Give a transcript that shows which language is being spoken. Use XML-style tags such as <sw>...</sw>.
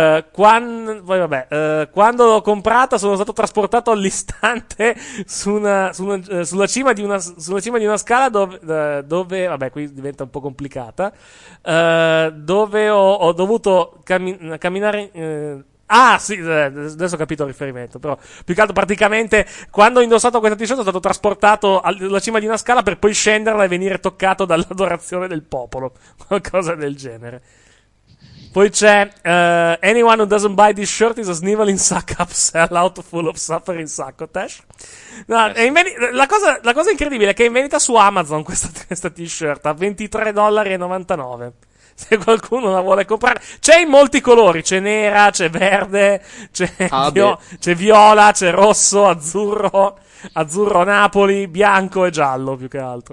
<it>Quando l'ho comprata sono stato trasportato all'istante sulla cima di una scala dove ho dovuto camminare, adesso ho capito il riferimento, però più che altro praticamente quando ho indossato questa t-shirt sono stato trasportato alla cima di una scala per poi scenderla e venire toccato dall'adorazione del popolo, qualcosa del genere. Poi c'è</it> <en>anyone who doesn't buy this shirt is a sniveling suck up sellout full of suffering succotash.</en> <it>No, la cosa incredibile è che è in vendita su Amazon questa t-shirt a $23.99. Se qualcuno la vuole comprare, c'è in molti colori, c'è nera, c'è verde, c'è viola, c'è rosso, azzurro Napoli, bianco e giallo più che altro.</it>